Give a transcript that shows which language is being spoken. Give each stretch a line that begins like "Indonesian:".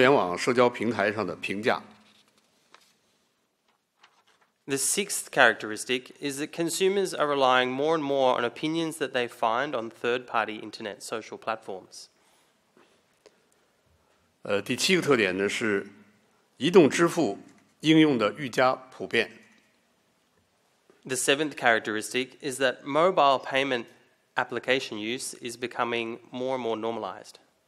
Chinese: 第六个特点呢，是消费者更依赖于第三方互联网社交平台上的评价。
English: The sixth characteristic is that consumers are relying more and more on opinions that they find on third-party internet social platforms.
Chinese: 第七个特点呢，是 移动支付应用的愈加普遍。
English: The seventh characteristic is that mobile payment application use is becoming more and more normalized.